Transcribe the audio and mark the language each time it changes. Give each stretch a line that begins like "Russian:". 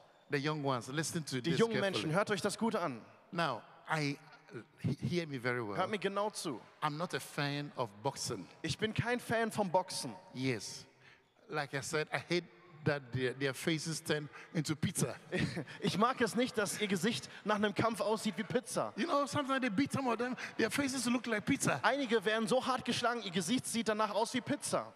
English: The young ones, listen to
German: die
English: this.
German: Die jungen
English: carefully.
German: Menschen, hört euch das gut an.
English: Now, I hear me very well.
German: Hört mir genau zu.
English: I'm not a fan of boxing.
German: Ich bin kein Fan vom Boxen.
English: Yes, like I said, I hate that their faces turn into pizza.
German: Ich mag es nicht, dass ihr Gesicht nach einem Kampf aussieht wie Pizza.
English: You know, sometimes they beat some of them, their faces look like pizza.
German: Einige werden so hart geschlagen, ihr Gesicht sieht danach aus wie Pizza.